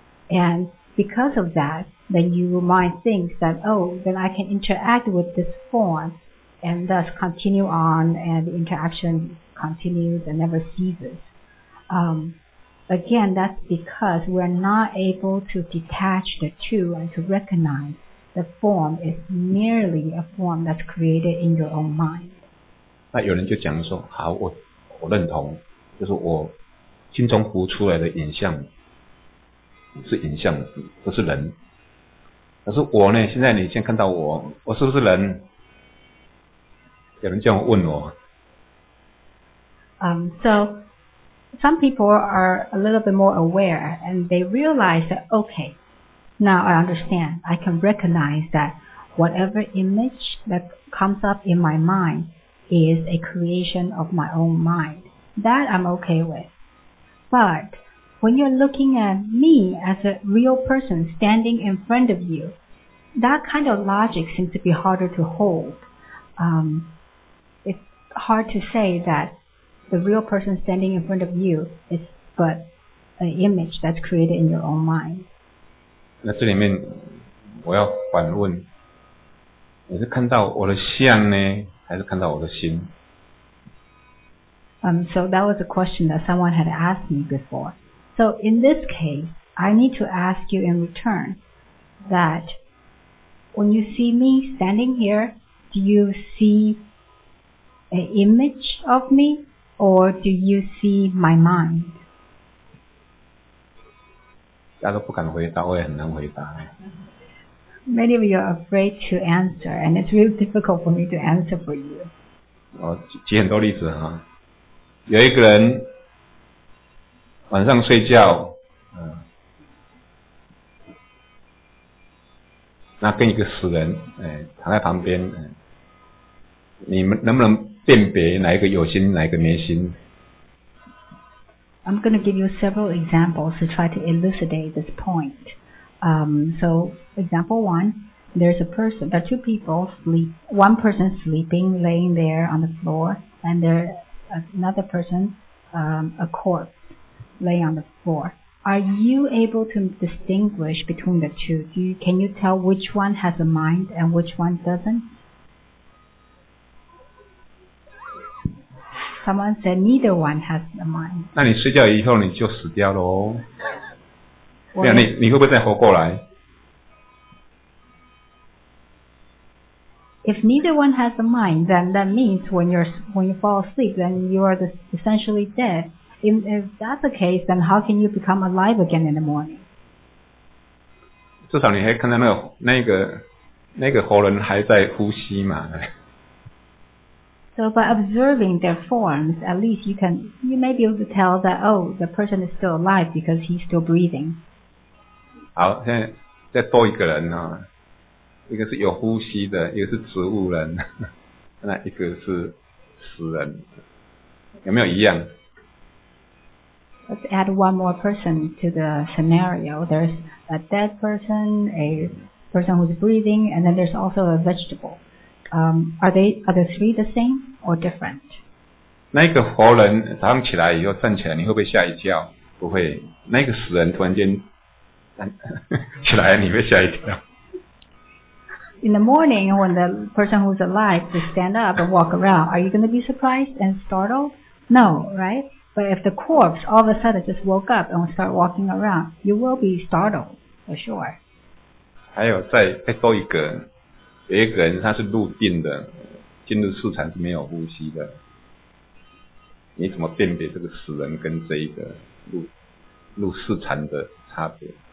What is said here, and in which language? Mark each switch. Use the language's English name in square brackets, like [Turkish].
[English] And because of that, then your mind thinks that, oh, then I can interact with this form and thus continue on, and the interaction continues and never ceases. Again, that's because we're not able to detach the two and to recognize the form is merely a form that's created in your own mind. [Chinese] 那有人就讲说，好，我认同，就是我心中浮出来的影像是影像，不是人。可是我呢，现在你先看到我，我是不是人？有人这样问我。 [English] So some people are a little bit more aware, and they realize that, okay, now I understand. I can recognize that whatever image that comes up in my mind is a creation of my own mind. That I'm okay with. But when you're looking at me as a real person standing in front of you, that kind of logic seems to be harder to hold. It's hard to say that the real person standing in front of you is but an image that's created in your own mind. [Chinese] 那这里面我要反问，你是看到我的像呢，还是看到我的心？ [English] So that was a question that someone had asked me before. So in this case, I need to ask you in return that when you see me standing here, do you see an image of me? Or do you see my mind? [Chinese] 大家都不敢回答，我也很难回答。 [English] Many of you are afraid to answer, and it's really difficult for me to answer for you. [Chinese] 我举很多例子哈，有一个人晚上睡觉，那跟一个死人，躺在旁边，你们能不能辨别哪一个有心，哪一个没心？ [English] I'm going to give you several examples to try to elucidate this point. So, example one, there's a person, there are two people sleep, one person sleeping, laying there on the floor, and there's another person, a corpse, laying on the floor. Are you able to distinguish between the two? Can you tell which one has a mind and which one doesn't? Someone said neither one has the mind. [Chinese] 那你睡觉以后你就死掉了哦。没有，你会不会再活过来？ [English] If neither one has the mind, then that means when you fall asleep, then you are essentially dead. If that's the case, then how can you become alive again in the morning? [Chinese] 至少你还看到那个活人还在呼吸嘛。 [English] So by observing their forms, at least you may be able to tell that, oh, the person is still alive because he's still breathing. [Chinese] 好，现在再多一个人啊，一个是有呼吸的，一个是植物人，那一个是死人，有没有一样？ [English] Let's add one more person to the scenario. There's a dead person, a person who's breathing, and then there's also a vegetable. Are the three the same or different? [Chinese] 那个活人早上起来以后站起来，你会不会吓一跳？不会。那个死人突然间起来，你会吓一跳。 [English] In the morning, when the person who's alive to stand up and walk around, are you going to be surprised and startled? No, right? But if the corpse all of a sudden just woke up and start walking around, you will be startled for sure. [Chinese] 还有再多一个。有一个人他是入定的，进入市场是没有呼吸的，你怎么辨别这个死人跟这一个 入市场的差别？